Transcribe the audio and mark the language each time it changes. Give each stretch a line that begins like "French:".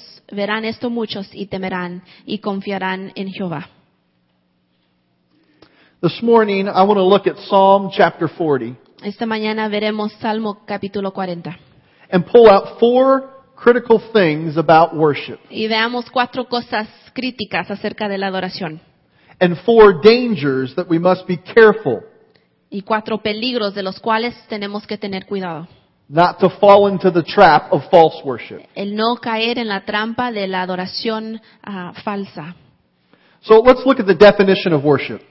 Spanish: Verán esto muchos y temerán y confiarán en Jehová.
English: This morning I want to look at Psalm chapter 40.
Spanish: Esta mañana veremos Salmo capítulo 40.
English: And pull out four critical things about worship.
Spanish: Y veamos cuatro cosas críticas acerca de la adoración.
English: And four dangers that we must be careful.
Spanish: Y cuatro peligros de los cuales tenemos que tener cuidado.
English: Not to fall into the trap of false worship.
Spanish: El no caer en la trampa de la adoración falsa.
English: So let's look at the definition of worship.